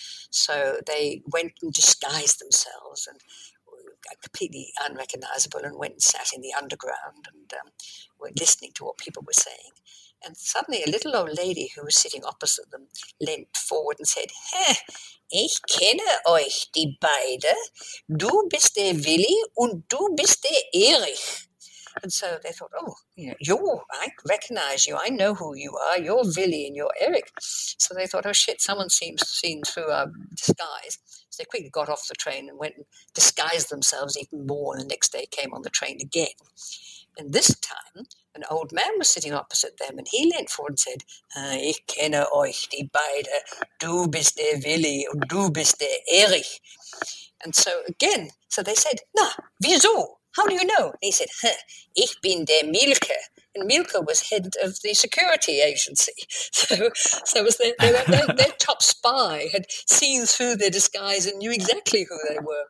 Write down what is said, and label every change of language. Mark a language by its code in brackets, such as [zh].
[en] So they went and disguised themselves and completely unrecognizable and went and sat in the underground and were listening to what people were saying. And suddenly a little old lady who was sitting opposite them leant forward and said, [de] "Ich kenne euch die beide. Du bist der Willi und du bist der Erich." [en] And so they thought, oh, I recognize you. I know who you are. You're Willy and you're Eric. So they thought, oh, shit, someone seems seen through our disguise. So they quickly got off the train and went and disguised themselves even more. And the next day came on the train again. And this time an old man was sitting opposite them and he leant forward and said, [de] "Ich kenne euch die beide. Du bist der Willy und du bist der Erich." [en] And so again, so they said, [de] "Na, wieso? [en] How do you know?" And he said, [de] "Ich bin der Milke." [en] And Milke was head of the security agency. So it was their top spy had seen through their disguise and knew exactly who they were.